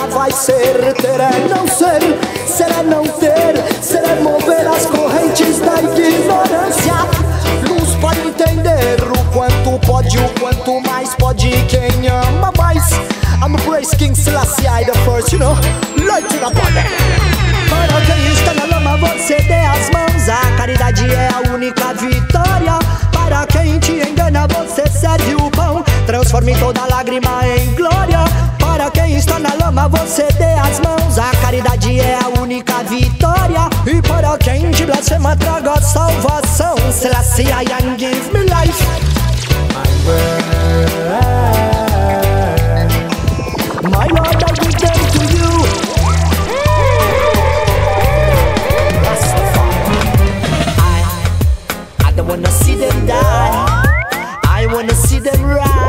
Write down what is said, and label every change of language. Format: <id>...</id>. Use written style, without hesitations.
<pt>Ser, ter é não ser, ser é não ter, ser é mover as correntes da ignorância. Luz pode entender o quanto pode, o quanto mais pode quem ama mais.</pt> <en>I'm a praise king, Selassie, I the first, you know, light in the body.</en> <pt>Para quem está na lama, você dê as mãos, a caridade é a única vitória. Para quem te engana, você serve o pão, transforme toda lágrima em glória. Para quem está na lama, você dê as mãos, a caridade é a única vitória. E para quem te blasfema, traga a salvação, Selassie</pt> <en>I am, give me life. My Lord, my Lord, I give them to you. I don't wanna see them die, I wanna see them rise.</en>